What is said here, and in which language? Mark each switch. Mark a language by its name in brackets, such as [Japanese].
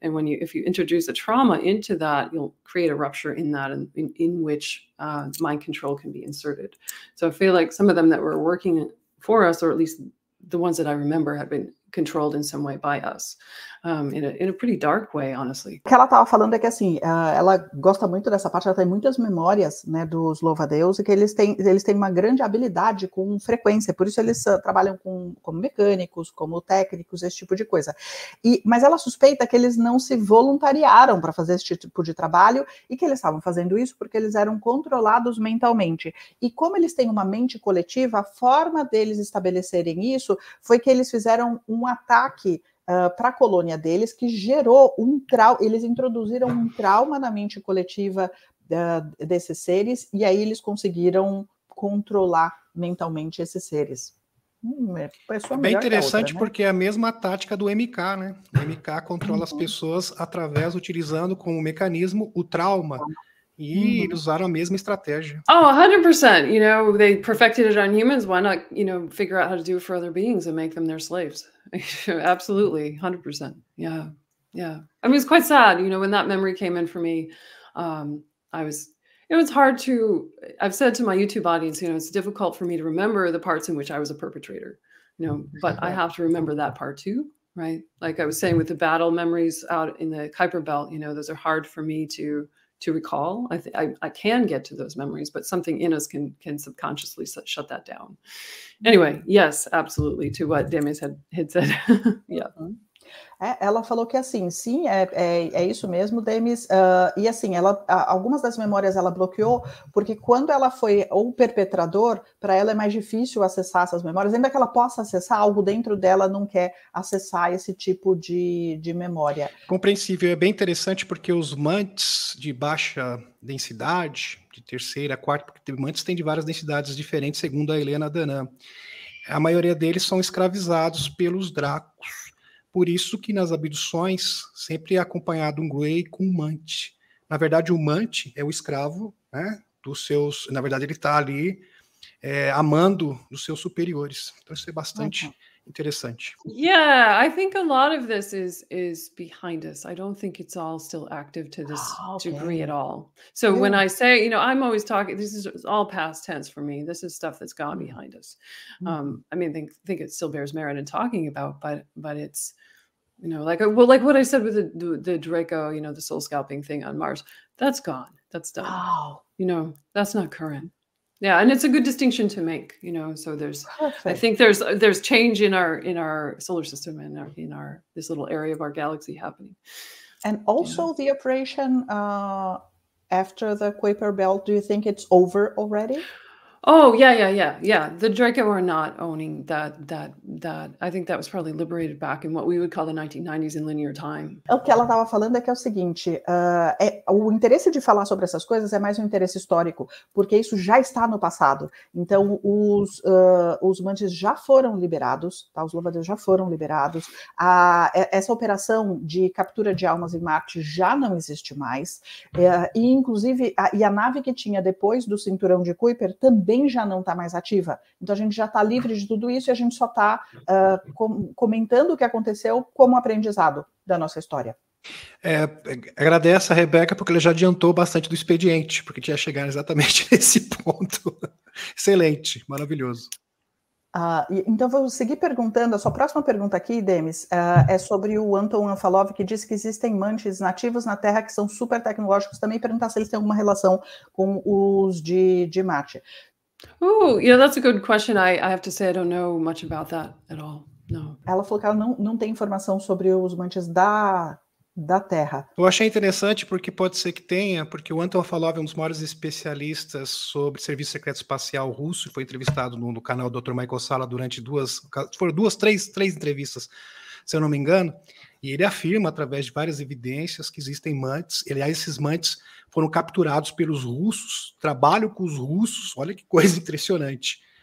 [English] And when if you introduce a trauma into that, you'll create a rupture in that, and in which mind control can be inserted. So I feel like some of them that were working for us, or at least the ones that I remember, had been controlled in some way by us, in a pretty dark way, honestly. [Portuguese] O que ela estava falando é que assim, ela gosta muito dessa parte, ela tem muitas memórias, né, dos louva-deus, e que eles têm uma grande habilidade com frequência, por isso eles trabalham como mecânicos, como técnicos, esse tipo de coisa. Mas ela suspeita que eles não se voluntariaram para fazer esse tipo de trabalho, e que eles estavam fazendo isso porque eles eram controlados mentalmente. E como eles têm uma mente coletiva, a forma deles estabelecerem isso foi que eles fizeram um ataque para a colônia deles, que gerou um trauma, eles introduziram um trauma na mente coletiva desses seres, e aí eles conseguiram controlar mentalmente esses seres. Bem interessante, outra, né? Porque é a mesma tática do MK, né? O MK controla as pessoas através, utilizando como mecanismo o trauma. E usaram a mesma estratégia. [English] Oh, 100%. You know, they perfected it on humans. Why not, you know, figure out how to do it for other beings and make them their slaves? Absolutely, 100%. Yeah, yeah. I mean, it's quite sad, you know, when that memory came in for me. I've said to my YouTube audience, you know, it's difficult for me to remember the parts in which I was a perpetrator, you know, but I have to remember that part too, right? Like I was saying with the battle memories out in the Kuiper Belt, you know, those are hard for me to recall. I can get to those memories, but something in us can subconsciously shut that down. Anyway, yes, absolutely, to what Demis had said. Yeah. [Portuguese] Ela falou que assim, sim, é isso mesmo, Demis, e assim, ela, algumas das memórias ela bloqueou, porque quando ela foi o perpetrador, para ela é mais difícil acessar essas memórias, ainda que ela possa acessar, algo dentro dela não quer acessar esse tipo de memória. Compreensível, é bem interessante porque os mantes de baixa densidade, de terceira, quarta, porque mantes têm de várias densidades diferentes, segundo a Helena Danan, a maioria deles são escravizados pelos dracos. Por isso que nas abduções sempre é acompanhado um Grey com um Mante. Na verdade, o Mante é o escravo, né, dos seus... Na verdade, ele está ali amando dos seus superiores. Então, isso é bastante interessante. [English] Yeah, I think a lot of this is behind us. I don't think it's all still active to this degree at all. So, yeah. When I say, you know, I'm always talking... This is all past tense for me. This is stuff that's gone behind us. I mean, think it still bears merit in talking about, but it's, you know, like what I said with the Draco, you know, the soul scalping thing on Mars. That's gone. That's done. Wow. You know, that's not current. Yeah, and it's a good distinction to make, you know. So there's, perfect. I think there's change in our solar system and in our this little area of our galaxy happening. And also the operation after the Kuiper Belt, do you think it's over already? Oh yeah. The Draco are not owning that. I think that was probably liberated back in what we would call the 1990s in linear time. [Portuguese] O que ela estava falando é que é o seguinte, o interesse de falar sobre essas coisas é mais um interesse histórico, porque isso já está no passado. Então os mantes já foram liberados, tá? Os louvadeus já foram liberados. Essa operação de captura de almas em Marte já não existe mais. E inclusive a nave que tinha depois do cinturão de Kuiper também já não está mais ativa. Então a gente já está livre de tudo isso e a gente só está comentando o que aconteceu como aprendizado da nossa história. Agradeço a Rebeca porque ela já adiantou bastante do expediente, porque tinha chegado exatamente nesse ponto. Excelente, maravilhoso. Então vou seguir perguntando, a sua próxima pergunta aqui, Demis, é sobre o Anton Anfalov, que diz que existem mantes nativos na Terra que são super tecnológicos, também perguntar se eles têm alguma relação com os de Marte. [English] Oh, yeah, that's a good question. I have to say I don't know much about that at all. No. [Portuguese] Ela falou que ela não tem informação sobre os mantes da Terra. Eu achei interessante porque pode ser que tenha, porque o Anton Falov é um dos maiores especialistas sobre serviço secreto espacial russo e foi entrevistado no canal do Dr. Michael Sala durante três entrevistas, se eu não me engano, e ele afirma através de várias evidências que existem mantes, aliás, esses mantes foram capturados pelos russos, trabalham com os russos, olha que coisa impressionante.